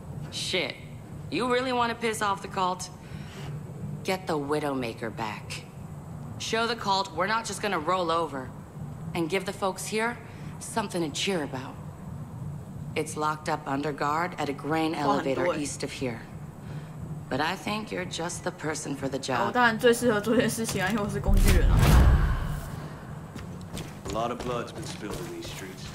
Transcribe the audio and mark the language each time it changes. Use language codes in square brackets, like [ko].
[en] Shit, you really want to piss off the cult? Get the Widowmaker back. Show the cult we're not just gonna roll over. And give the folks here something to cheer about. It's locked up under guard at a grain elevator east of here. But I think you're just the person for the job. [zh] 我当然最适合做这件事情啊，因为我是工具人啊。 [en] A lot of blood's been spilled in these streets.